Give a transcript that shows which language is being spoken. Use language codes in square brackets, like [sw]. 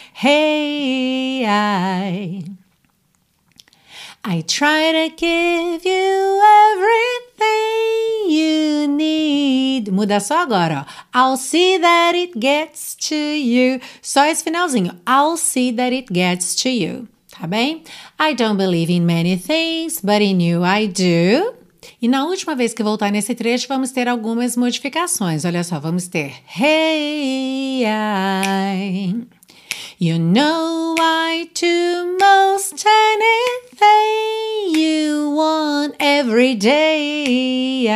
[en] Hey, I try to give you everything you need. [pt] Muda só agora, ó. [en] I'll see that it gets to you. [pt] Só esse finalzinho. [en] I'll see that it gets to you. [pt] Tá bem? [en] I don't believe in many things, but in you I do. [pt] E na última vez que voltar nesse trecho, vamos ter algumas modificações. Olha só, vamos ter... [en] Hey, I... You know I do most anything you want every day.